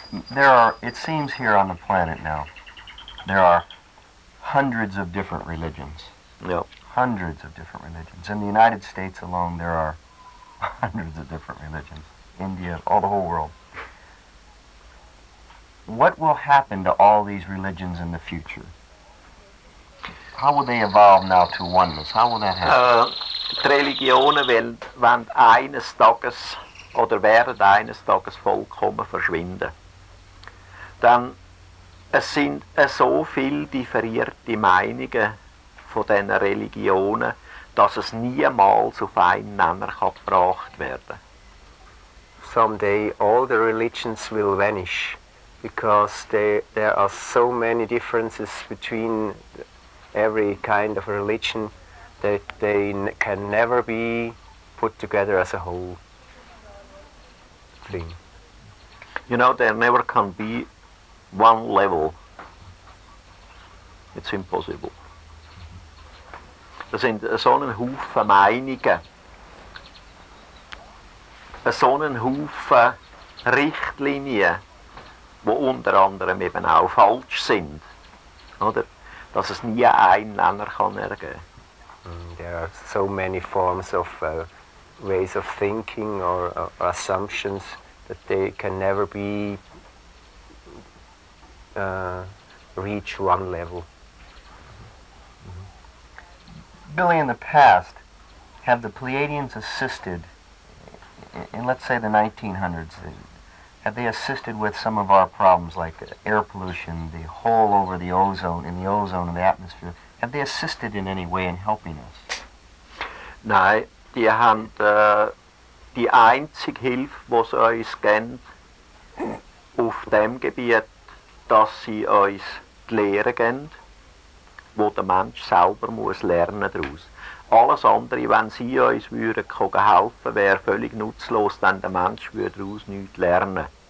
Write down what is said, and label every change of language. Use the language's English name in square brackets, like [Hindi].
[English] There are, it seems here on the planet now, there are hundreds of different religions. Yep. Hundreds of different religions. In the United States alone, there are hundreds of different religions, India, all the whole world. What will happen to all these religions in the future? How will they evolve now to oneness? How will that happen? [German] Die Religionen werden eines Tages oder werden eines Tages vollkommen verschwinden. Denn es sind so viel differierte Meinungen von diesen Religionen, dass es niemals auf einen Nenner gebracht werden kann. [English] Someday all the religions will vanish, because there are so many differences between every kind of religion that they can never be put together as a whole thing. You know, there never can be one level. It's impossible. [German] Es sind so einen Haufen Meinungen, so einen Haufen Richtlinien, die unter anderem eben auch falsch sind, oder? Dass es nie einen Nenner kann ergeben. [English] There are so many forms of ways of thinking or assumptions that they can never be reach one level. Billy, in the past, have the Pleiadians assisted, in let's say the 1900s, have they assisted with some of our problems like air pollution, the hole over the ozone, in the ozone and the atmosphere, have they assisted in any way in helping us? [German] Nein, die haben die einzige Hilfe, die sie uns geben, auf dem Gebiet, dass sie uns die Lehre geben, wo der Mensch selber muss lernen daraus. Alles andere, wenn sie uns würden können helfen, wäre völlig nutzlos, denn der Mensch würde daraus nichts lernen.